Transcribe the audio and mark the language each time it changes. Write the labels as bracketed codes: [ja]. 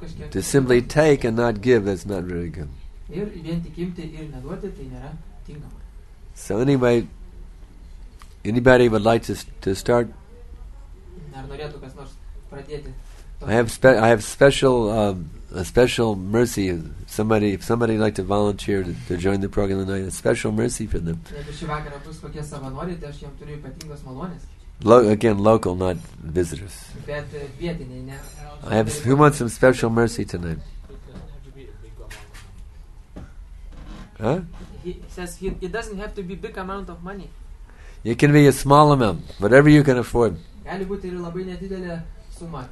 [en] To simply take and not give, that's not very good. [lt] Ir vien tik imti ir neduoti, tai nėra tinkama. [en] So anyway, anybody would like to start? [lt] Ar norėtų kas nors pradėti? [en] I have a special mercy. If somebody would like to volunteer to join the program tonight, a special mercy for them. [lt] Jeigu šį vakarą bus kokie savanoriai, tai aš jiem turiu ypatingos malonės. [en] Again, local, not visitors. [lt] Bet vietiniai, ne? [en] Who wants some special mercy tonight? He says it doesn't have to be big amount of money. It can be a small amount, whatever you can afford. [lt] Gali būti ir labai nedidelė suma.